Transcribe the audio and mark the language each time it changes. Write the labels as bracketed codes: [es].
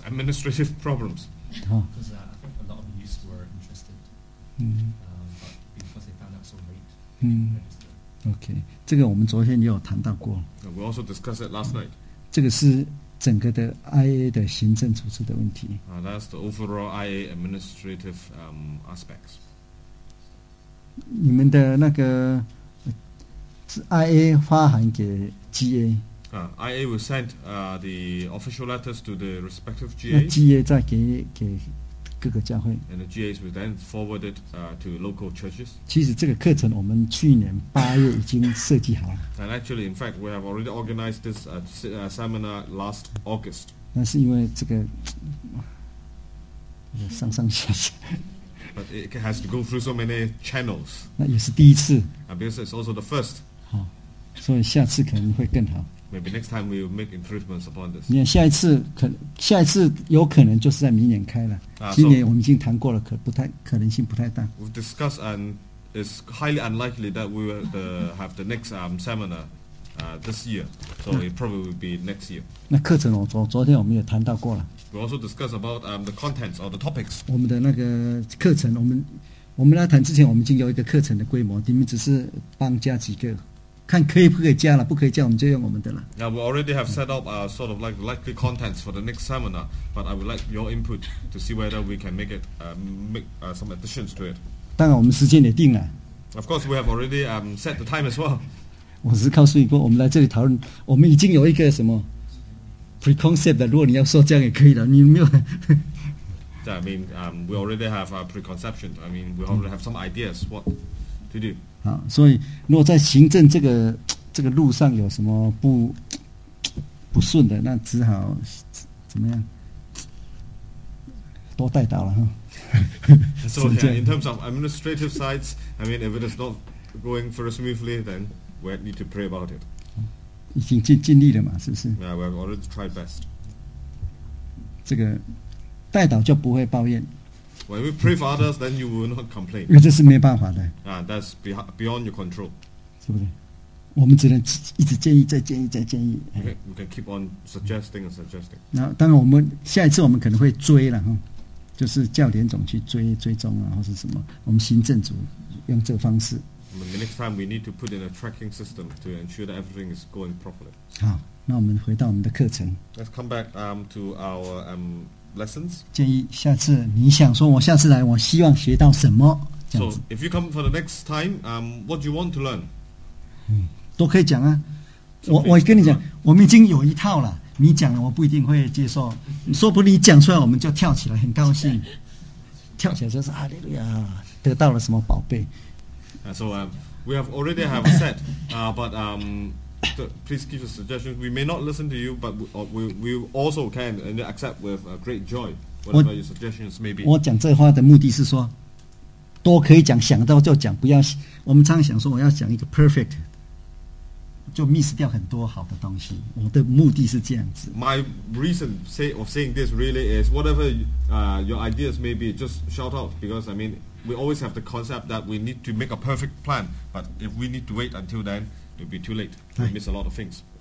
[en] administrative problems. Because I think a lot of youths were interested, but because they found out so late, [zh] Okay, 这个我们昨天也有谈到过。 [en] We also discussed it last night. [zh] 这个是整个的 IA 的行政组织的问题。 [en] That's the overall IA administrative aspects. [zh] 你们的那个 IA 发函给 GA。 [en] IA will send the official letters to the respective GA. [zh] GA 再给各个教会。 [en] And the GAs were then forwarded to local churches. [zh] 其实这个课程我们去年八月已经设计好了。 [en] And actually, in fact, we have already organized this seminar last August. [zh] 那是因为这个上上下下。 [en] But it has to go through so many channels. [zh] 那也是第一次。 [en] And because it's also the first. [zh] 好，所以下次可能会更好。 [en] Maybe next time we will make improvements upon this. [zh] 你看下一次可下一次有可能就是在明年开了。今年我们已经谈过了，可不太可能性不太大。 [en] We've discussed and it's highly unlikely that we will have the next seminar this year. So it probably will be next year. [zh] 那课程昨天我们也谈到过了。 [en] We also discussed about the contents or the topics. [zh] 我们的那个课程，我们来谈之前，我们已经有一个课程的规模，你们只是帮加几个。看可以不可以加了，不可以加我们就用我们的了。 [en] Now we already have set up a sort of like likely contents for the next seminar, but I would like your input to see whether we can make it make some additions to it. [zh] 当然，我们时间也定了。 [en] Of course, we have already set the time as well. [zh] 我只是告诉你说，我们来这里讨论，我们已经有一个什么 preconcept 的。如果你要说这样也可以的，你没有。 [en] Yeah, I mean, we already have a preconception. I mean, we already have some ideas what to do. [zh] 所以如果在行政这个路上有什么不顺的，那只好怎么样多带到了哈。 [en] So yeah, in terms of administrative sides, I mean, if it is not going very smoothly, then we need to pray about it. [zh] 已经尽力了嘛，是不是 [en] ？Yeah, we have already tried best. [zh] 这个带到就不会抱怨。 [en] When we pray for others, then you will not complain. [zh] 因为这是没办法的。 [en] That's beyond your control. [zh] 是不是？我们只能一直建议，再建议，再建议。 [en] We can keep on suggesting and suggesting. [zh] 那当然，我们下一次我们可能会追了哈，就是叫连总去追踪啊，或是什么，我们行政组用这个方式。 [en] The next time we need to put in a tracking system to ensure that everything is going properly. [zh] 好，那我们回到我们的课程。 [en] Let's come back to our lessons. [zh] 建议下次你想说，我下次来，我希望学到什么？这样子。 [en] So if you come for the next time, what do you want to learn? [zh] 都可以讲啊。我跟你讲，我们已经有一套了。你讲了，我不一定会接受。说不定你讲出来，我们就跳起来，很高兴。跳起来就是哈利路亚，得到了什么宝贝 [en] ？So we have already have said, but please give a suggestion. We may not listen to you, but we also can and accept with great joy whatever your suggestions may be. [zh] 我讲这话的目的是说，多可以讲，想到就讲，不要。我们常常想说，我要讲一个 perfect， 就 miss 掉很多好的东西。我的目的是这样子。 [en] My reason of saying this really is whatever your ideas may be, just shout out because I mean we always have the concept that we need to make a perfect plan, but if we need to wait until then. It'll be too late. You'll miss a lot of things.